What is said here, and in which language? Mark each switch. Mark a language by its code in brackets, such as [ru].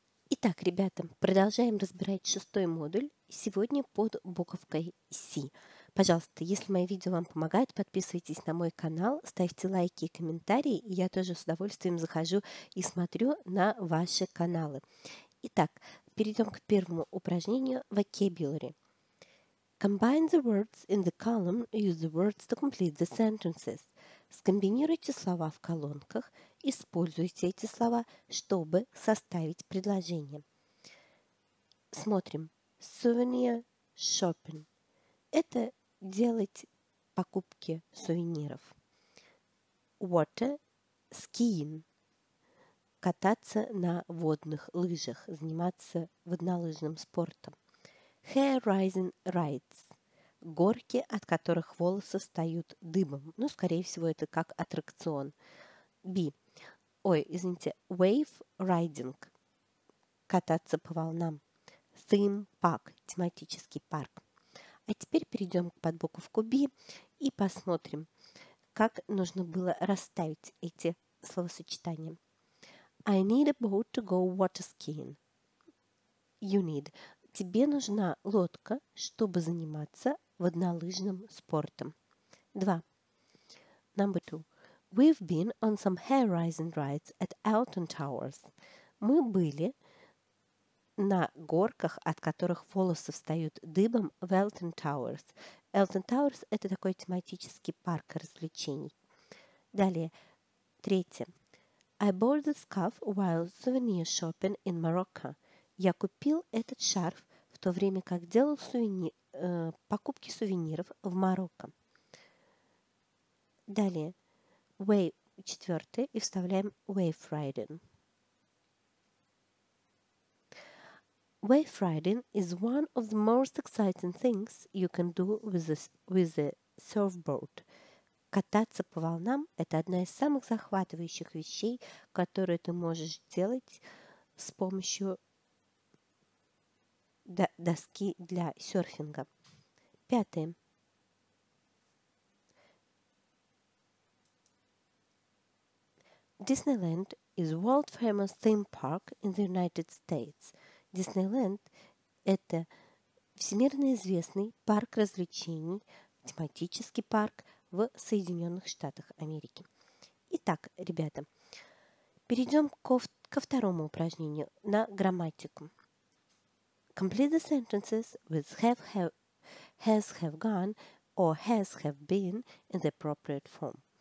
[ru] Итак, ребята, продолжаем разбирать шестой модуль. Сегодня под буковкой Си. Пожалуйста, если мои видео вам помогают, подписывайтесь на мой канал, ставьте лайки и комментарии. И я тоже с удовольствием захожу и смотрю на ваши каналы. Итак, перейдем к первому упражнению vocabulary. [en] Combine the words in the column, use the words to complete the sentences. [ru] Скомбинируйте слова в колонках, используйте эти слова, чтобы составить предложение. Смотрим. [en] Souvenir shopping. [ru] Это делать покупки сувениров. [en] Water skiing. [ru] Кататься на водных лыжах, заниматься воднолыжным спортом. [en] Hair rising rides. [ru] Горки, от которых волосы встают дыбом. Ну, скорее всего, это как аттракцион. [en] Wave riding. [ru] Кататься по волнам. [en] Theme park. [ru] Тематический парк. А теперь перейдем к подбуковку B и посмотрим, как нужно было расставить эти словосочетания. [en] I need a boat to go water skiing. You need. [ru] Тебе нужна лодка, чтобы заниматься воднолыжным спортом. [en] 2. Number 2. We've been on some hair-raising rides at Alton Towers. [ru] Мы были на горках, от которых волосы встают дыбом, в Alton Towers. Alton Towers – это такой тематический парк развлечений. Далее. 3. [en] I bought the scarf while souvenir shopping in Morocco. [ru] Я купил этот шарф в то время, как делал покупки сувениров в Марокко. Далее. 4. И вставляем wave riding. [en] Wave riding is one of the most exciting things you can do with a surfboard. [ru] Кататься по волнам – это одна из самых захватывающих вещей, которые ты можешь делать с помощью доски для серфинга. 5. [en] Disneyland is world famous theme park in the United States. [ru] Диснейленд – это всемирно известный парк развлечений, тематический парк в Соединенных Штатах Америки. Итак, ребята, перейдем ко второму упражнению на грамматику. [en] Complete the sentences with has have gone or has have been in the appropriate form.